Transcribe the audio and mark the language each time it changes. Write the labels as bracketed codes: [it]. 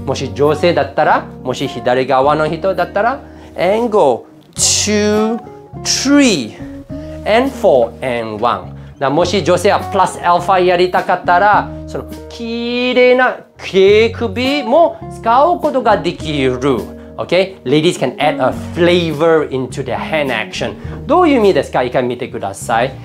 [ja] もし女性だったら、もし左側の人だったら [en] angle 2, 3, and 4, and 1。 [ja] だもし女性はプラスアルファやりたかったら、その綺麗な毛首も使うことができる。 [en] Okay, ladies can add a flavor into their hand action. [ja] どういう意味ですか？一回見てください。